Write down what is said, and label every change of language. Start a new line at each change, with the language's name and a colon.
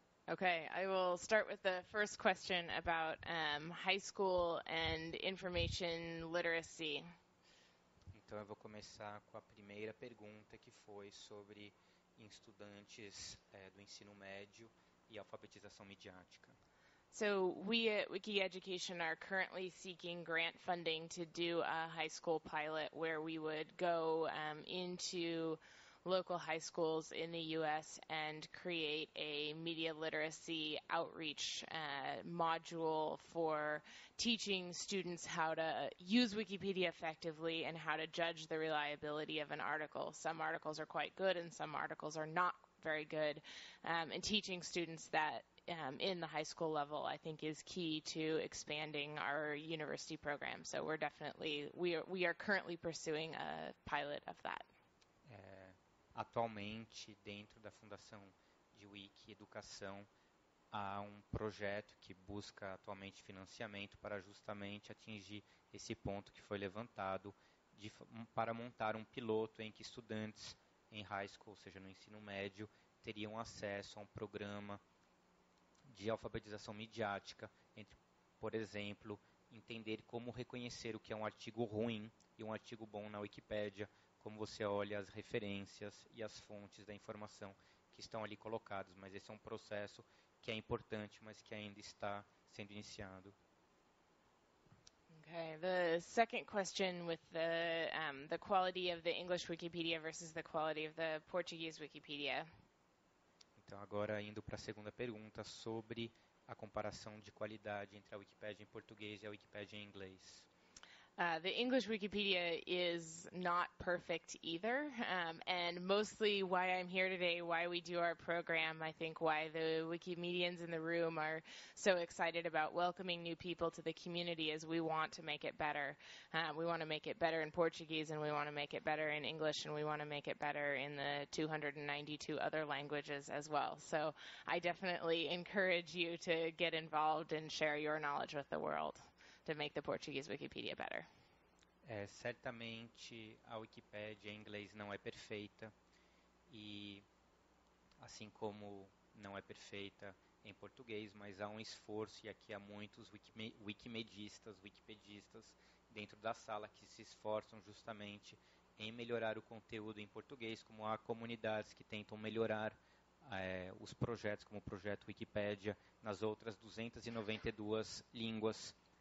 English: Okay, I will start with the first question about high school and information literacy.
Portuguese: Então, eu vou começar com a primeira pergunta, que foi sobre estudantes do ensino médio e alfabetização midiática.
English: So we at Wiki Education are currently seeking grant funding to do a high school pilot where we would go into local high schools in the U.S. and create a media literacy outreach module for teaching students how to use Wikipedia effectively and how to judge the reliability of an article. Some articles are quite good and some articles are not very good, and teaching students that in the high school level, I think, is key to expanding our university program. So we're definitely, we are currently pursuing a pilot of that.
Portuguese: Atualmente, dentro da Fundação de Wiki Educação, há projeto que busca atualmente financiamento para justamente atingir esse ponto que foi levantado para montar piloto em que estudantes em high school, ou seja, no ensino médio, teriam acesso a programa de alfabetização midiática, entre, por exemplo, entender como reconhecer o que é um artigo ruim e um artigo bom na Wikipédia, como você olha as referências e as fontes da informação que estão ali colocadas. Mas esse é um processo que é importante, mas que ainda está sendo iniciado.
English: Ok. Okay. The second question with the quality of the English Wikipedia versus the quality of the Portuguese Wikipedia.
Portuguese: Então agora indo para a segunda pergunta sobre a comparação de qualidade entre a Wikipédia em português e a Wikipédia em inglês.
English: The English Wikipedia is not perfect either, and mostly why I'm here today, why we do our program, I think why the Wikimedians in the room are so excited about welcoming new people to the community is we want to make it better. We want to make it better in Portuguese, and we want to make it better in English, and we want to make it better in the 292 other languages as well. So I definitely encourage you to get involved and share your knowledge with the world. To make the Portuguese Wikipedia better.
Portuguese: É, certamente a Wikipédia em inglês não é perfeita, e assim como não é perfeita em português, mas há um esforço, e aqui há muitos wikipedistas dentro da sala que se esforçam justamente em melhorar o conteúdo em português, como há comunidades que tentam melhorar os projetos, como o projeto Wikipédia, nas outras 292 línguas.